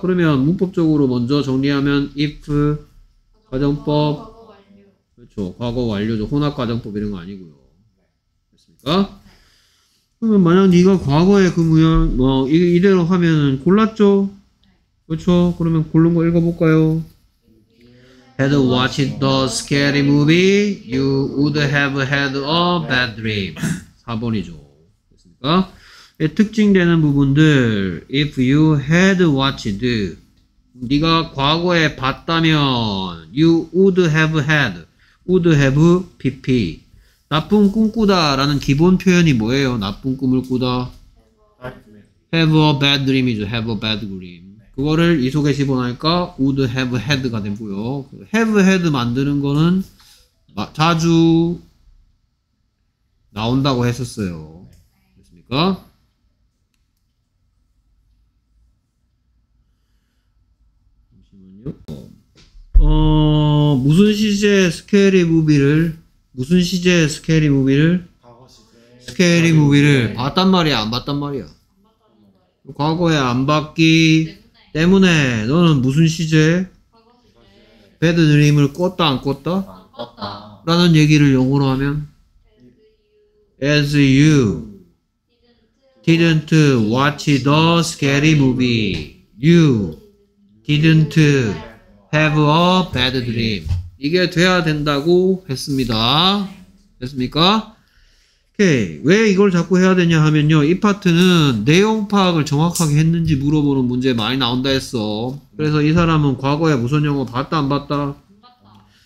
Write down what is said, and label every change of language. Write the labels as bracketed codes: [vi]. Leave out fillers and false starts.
[ko] 그러면 문법적으로 먼저 정리하면 if 가정법 그렇죠. 과거 완료죠. 혼합 가정법 이런 거 아니고요. 됐습니까? 그러면 만약 네가 과거에 그 문장 뭐 이대로 하면 골랐죠. 그렇죠. 그러면 고른 거 읽어볼까요? [en] Had watched the scary movie, you would have had a bad dream. [ko] 4번이죠. 됐습니까? 예, 특징되는 부분들. [en] If you had watched, [ko] 네가 과거에 봤다면, [en] you would have had, would have pp. [ko] 나쁜 꿈꾸다라는 기본 표현이 뭐예요? 나쁜 꿈을 꾸다. [en] Have a bad dream이죠. Have a bad dream. [ko] 그거를 이 속에 집어넣으니까 [en] would have had가 [ko] 되고요. have had 만드는 거는 자주 나온다고 했었어요. 됐습니까? 잠시만요. 무슨 시제 스케일리 무비를 무슨 시제 스케일리 무비를 스케일리 무비를 봤단 말이야 안 봤단 말이야. 과거에 안 봤기 때문에 너는 무슨 시제 배드 드림을 꿨다 안 꿨다? 안 꿨다 라는 얘기를 영어로 하면 [en] as you didn't watch the scary movie you didn't have a bad dream. [ko] 이게 돼야 된다고 했습니다. 됐습니까? 오케이. 왜 이걸 자꾸 해야 되냐 하면요. 이 파트는 내용 파악을 정확하게 했는지 물어보는 문제 많이 나온다 했어. 그래서 이 사람은 과거에 무슨 영화 봤다 안 봤다? 안 봤다.